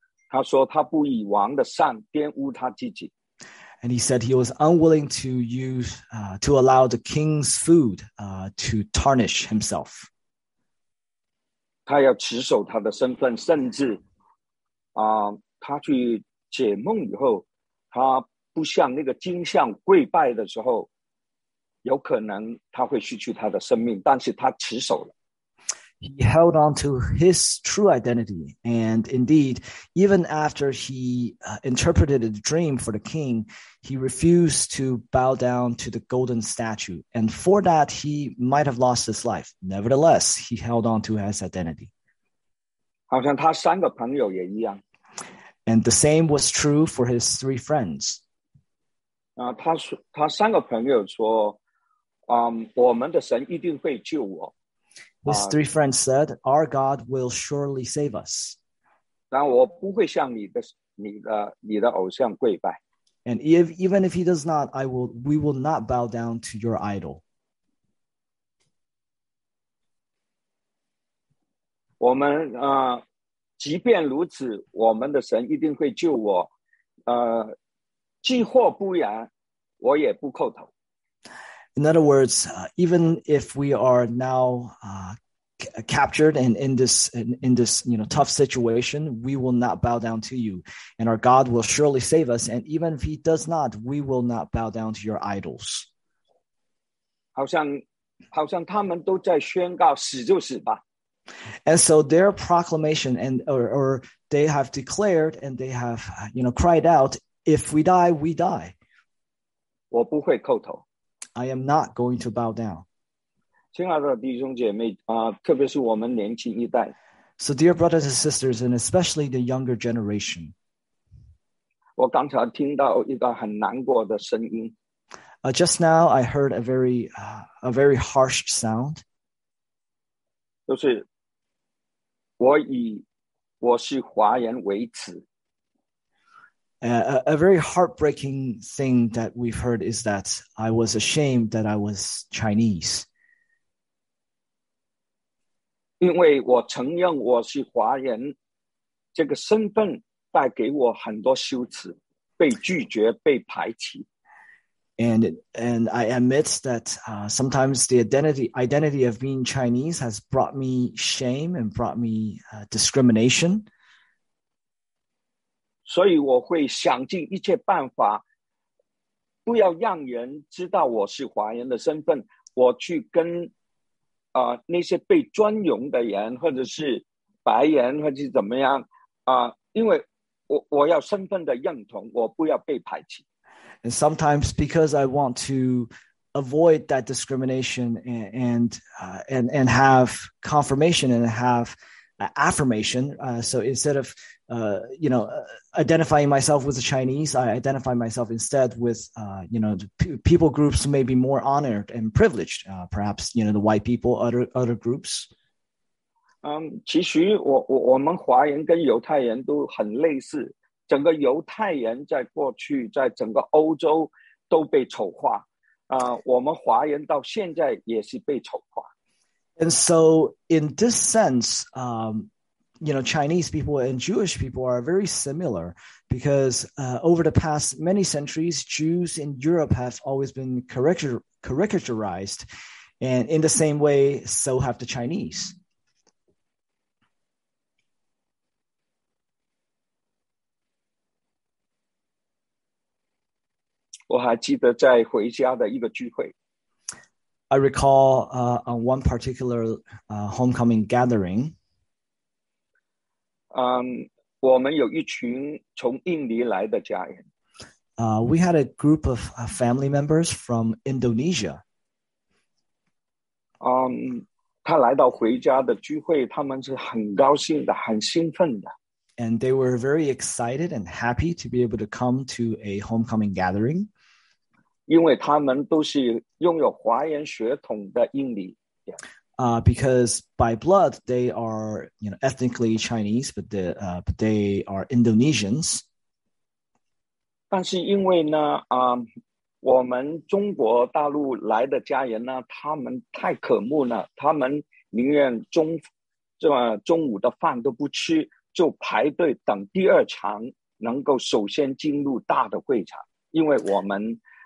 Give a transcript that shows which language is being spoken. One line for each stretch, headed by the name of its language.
Chinese: 他说他不以王的善玷污他自己。
English: And he said he was unwilling to use, to allow the king's food, to tarnish himself.
Chinese: 他要持守他的身份，甚至，他去解梦以后，他不向那个金像跪拜的时候，有可能他会失去他的生命，但是他持守了。
English: He held on to his true identity, and indeed, even after he interpreted a dream for the king, he refused to bow down to the golden statue, and for that, he might have lost his life. Nevertheless, he held on to his identity. And the same was true for his three friends.
Chinese: 他三个朋友说，我们的神一定会救我。
English: His three friends said, our God will surely save us.
Chinese: 但我不会向你的偶像跪拜。
English: And even if he does not, we will not bow down to your idol.
Chinese: 我们即便如此，我们的神一定会救我。既或不然，我也不叩头。
English: In other words, even if we are now captured and in this tough situation, we will not bow down to you, and our God will surely save us. And even if He does not, we will not bow down to your idols.
Chinese: 好像他们都在宣告死就死吧。
English: And so their proclamation and or they have declared and they have cried out, "If we die, we die."
Chinese: 我不会叩头。
English: I am not going to bow down.
Chinese: 亲爱的弟兄姐妹啊，特别是我们年轻一代。
English: So dear brothers and sisters, and especially the younger generation.
Chinese: 我刚才听到一个很难过的声音。
English: Just now, I heard a very harsh sound.
Chinese: 就是我以我是华人为耻。
English: A very heartbreaking thing that we've heard is that I was ashamed that I was Chinese.
Chinese: 因为我承认我是华人，这个身份带给我很多羞耻，被拒绝，被排挤。
English: And I admit that sometimes the identity of being Chinese has brought me shame and brought me discrimination.
Chinese: 所以我会想尽一切办法，不要让人知道我是华人的身份。我去跟那些被专用的人，或者是白人，或者是怎么样因为我要身份的认同，我不要被排挤。
English: And sometimes because I want to avoid that discrimination and have confirmation and have affirmation. So instead of, identifying myself with the Chinese, I identify myself instead with, people groups may be more honored and privileged, perhaps, you know, the white people, other groups.
Chinese: 其实我们华人跟犹太人都很类似。整个犹太人在过去，在整个欧洲都被丑化，我们华人到现在也是被丑化。
English: And so, in this sense, Chinese people and Jewish people are very similar because over the past many centuries, Jews in Europe have always been caricaturized, and in the same way, so have the Chinese.
Chinese: 我还记得在回家的一个聚会。
English: I recall on one particular homecoming gathering.
Chinese: 我们有一群从印尼来的家人。
English: We had a group of family members from Indonesia.
Chinese: 他来到回家的聚会，他们是很高兴的，很兴奋的。
English: And they were very excited and happy to be able to come to a homecoming gathering.
Chinese: 因为他们都是拥有华人血统的印尼。
English: Because by blood, they are, ethnically Chinese, but they are Indonesians.
Chinese: 但是因为呢，我们中国大陆来的家人呢，他们太可恶了，他们宁愿中午的饭都不吃，就排队等第二场，能够首先进入大的会场，因为我们